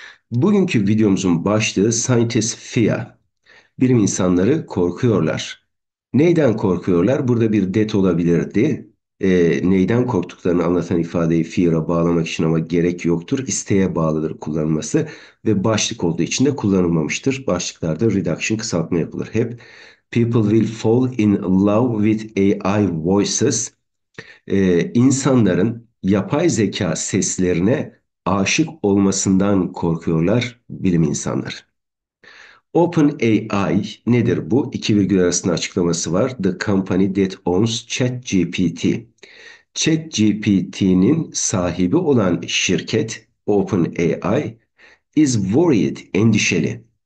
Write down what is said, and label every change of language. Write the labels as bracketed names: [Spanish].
[Turkish] Bugünkü videomuzun başlığı [English] Scientists Fear. [Turkish] Bilim insanları korkuyorlar. Neyden korkuyorlar? Burada bir det olabilirdi. Neyden korktuklarını anlatan ifadeyi fear'a bağlamak için ama gerek yoktur. İsteğe bağlıdır kullanılması ve başlık olduğu için de kullanılmamıştır. Başlıklarda reduction kısaltma yapılır hep. [English] People will fall in love with AI voices. [Turkish] İnsanların yapay zeka seslerine aşık olmasından korkuyorlar bilim insanlar. OpenAI nedir bu? İki virgül arasında açıklaması var. [English] The company that owns ChatGPT. [Turkish] ChatGPT'nin sahibi olan şirket [English] OpenAI is worried, [Turkish] endişeli.